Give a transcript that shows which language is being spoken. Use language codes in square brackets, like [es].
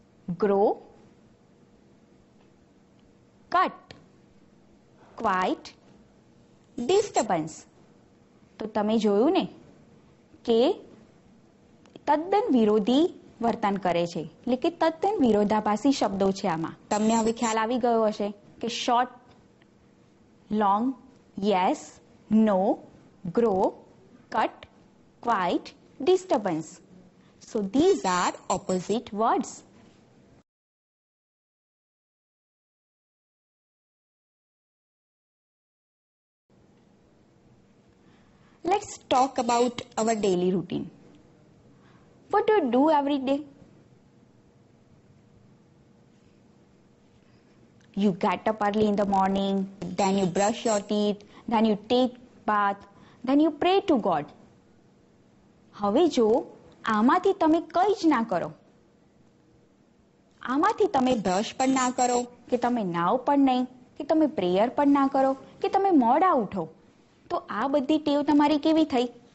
[en] grow, cut, quiet, disturbance. [gu] તો તમે જોયું ને કે તદ્દન વિરોધી વર્તન કરે છે, એટલે કે તદ્દન વિરોધાભાસી શબ્દો છે આમાં. તમને હવે ખ્યાલ આવી ગયો હશે કે [en] Short, long, yes, no, grow, cut, quite, disturbance. So these are opposite words. Let's talk about our daily routine. What do you do every day? You get up early in the morning, then you brush your teeth, then you take bath, then you pray to God. [gu] હવે જો આમાંથી તમે કઈ જ ના કરો, આમાંથી તમે બ્રશ પણ ના કરો, કે તમે નાવ પણ નહીં, કે તમે પ્રેયર પણ ના કરો, કે તમે મોડા ઉઠો, તો આ બધી ટેવ તમારી કેવી થઈ?